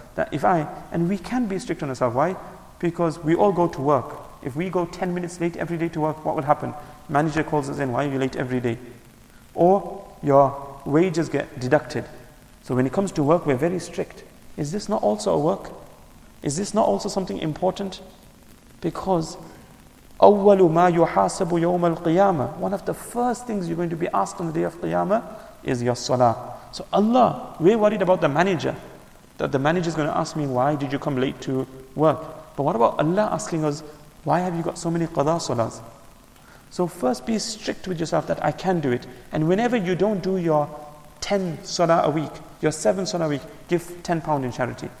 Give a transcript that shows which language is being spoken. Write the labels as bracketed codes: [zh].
[en] That if I, and we can be strict on ourselves. Why? Because we all go to work. If we go 10 minutes late every day to work, what will happen? Manager calls us in, why are you late every day? Or your wages get deducted. So when it comes to work, we're very strict. Is this not also a work? Is this not also something important? [ar] Because أول ما يحاسب يوم القيامة. [en] One of the first things you're going to be asked on the day of Qiyamah is your salah. So Allah, we're worried about the manager. That the manager is going to ask me, why did you come late to work? But what about Allah asking us, why have you got so many qada salahs? So first be strict with yourself that I can do it. And whenever you don't do your 10 salah a week, your 7 salah a week, give £10 in charity.